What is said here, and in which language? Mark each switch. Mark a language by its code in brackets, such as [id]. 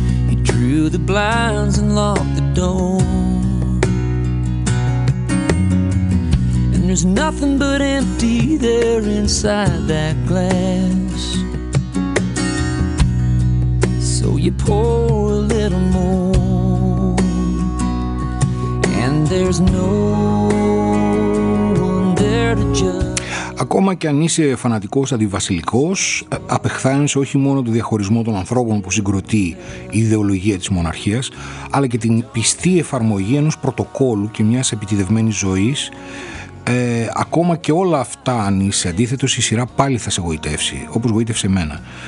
[en] You drew the blinds and locked the door. And there's nothing but empty there inside that glass. So you pour a little more. And there's no one there to judge. [el] Ακόμα και αν είσαι φανατικός αντιβασιλικός, απεχθάνεις όχι μόνο το διαχωρισμό των ανθρώπων που συγκροτεί η ιδεολογία της μοναρχίας, αλλά και την πιστή εφαρμογή ενός πρωτοκόλου και μιας επιτηδευμένης ζωής. Ακόμα και όλα αυτά αν είσαι αντίθετος, η σειρά πάλι θα σε γοητεύσει, όπως γοήτευσε εμένα.